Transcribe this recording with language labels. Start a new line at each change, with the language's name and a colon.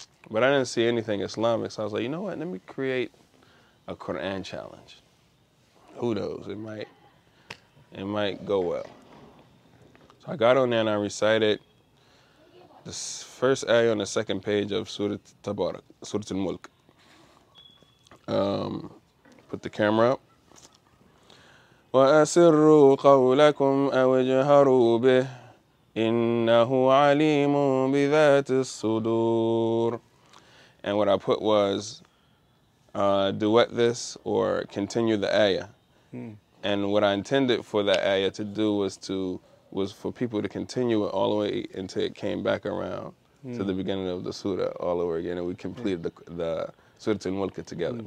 English: But I didn't see anything Islamic, so I was like, you know what, let me create a Quran challenge. Who knows, it might go well. So I got on there and I recited the first ayah on the second page of Surat al-Mulk. Put the camera up.
Arabic: وأسروا قولكم أو اجهروا به إنه عليم بذات الصدور.
English: And what I put was duet this or continue the ayah. And what I intended for that ayah to do was for people to continue it all the way until it came back around to the beginning of the surah all over again, and we completed the Surat al-Mulk together.